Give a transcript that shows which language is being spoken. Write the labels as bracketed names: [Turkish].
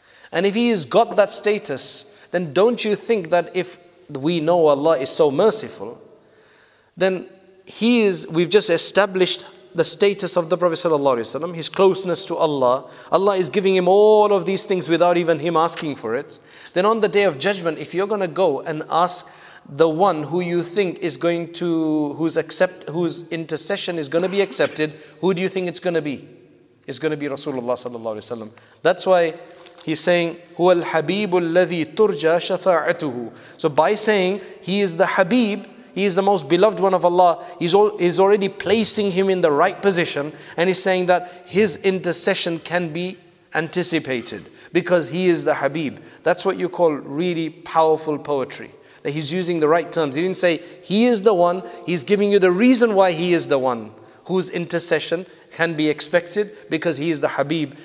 [English] And if he has got that status, then don't you think that if we know Allah is so merciful, then we've just established the status of the Prophet sallallahu alayhi wa sallam, his closeness to Allah. Allah is giving him all of these things without even him asking for it. Then on the day of judgment, if you're going to go and ask the one who you think is going to, whose intercession is going to be accepted, who do you think it's going to be? It's going to be Rasulullah sallallahu alayhi wa sallam. That's why he's saying, [Arabic] هُوَ الْحَبِيبُ الَّذِي تُرْجَى شَفَاعَتُهُ. [English] So by saying, he is the Habib, he is the most beloved one of Allah, he's already placing him in the right position, and he's saying that his intercession can be anticipated because he is the Habib. That's what you call really powerful poetry. That he's using the right terms. He didn't say he is the one, he's giving you the reason why he is the one whose intercession can be expected, because he is the Habib.